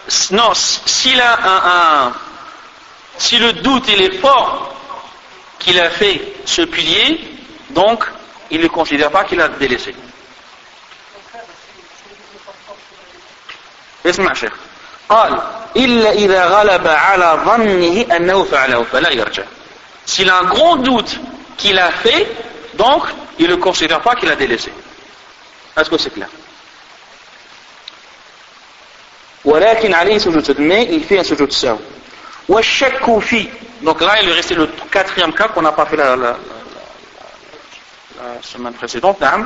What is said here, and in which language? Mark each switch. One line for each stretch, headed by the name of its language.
French: Non, s'il a si le doute il est fort qu'il a fait ce pilier, donc il ne considère pas qu'il a délaissé. Laisse-moi, cher.
Arabic: قال إلا إذا غلب على ظنه أنه فعله فلا يرجع.
French: S'il a un grand doute qu'il a fait, donc il ne considère pas qu'il a délaissé. Est-ce que c'est clair?
Arabic: ولكن عليه سجود سهو.
French: Il fait un سجود سهو.
Arabic: والشك في.
French: Donc là, il est resté le quatrième cas qu'on n'a pas fait la semaine précédente.